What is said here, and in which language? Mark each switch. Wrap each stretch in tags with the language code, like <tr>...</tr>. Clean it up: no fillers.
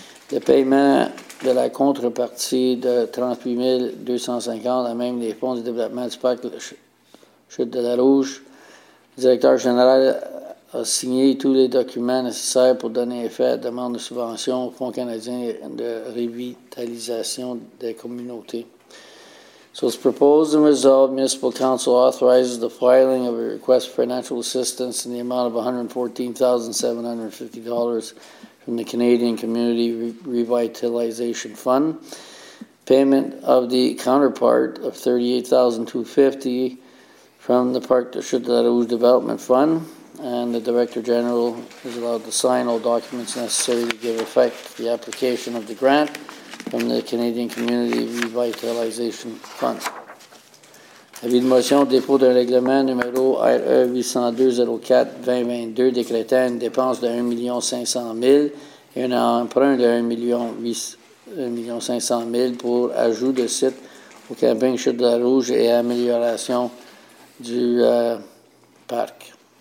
<fr>Le paiement de la contrepartie de 38 250 à même les fonds de développement du parc Chute de la Rouge. Le directeur général a signé tous les documents nécessaires pour donner effet à la demande de subvention au Fonds canadien de revitalisation des communautés.</fr> <en>So it's proposed and resolved, Municipal Council authorizes the filing of a request for financial assistance in the amount of $114,750 from the Canadian Community Revitalization Fund. Payment of the counterpart of $38,250 from the Parc de Chute de la Rouge Development Fund. And the Director General is allowed to sign all documents necessary to give effect to the application of the grant from the Canadian Community Revitalization Fund.</en> <fr>Avis de motion, dépôt d'un règlement numéro RE 802-04-2022 décrétant une dépense de 1 500 000 et un emprunt de 1 500 000 pour ajout de site au camping Chute de la Rouge et amélioration du parc.</fr>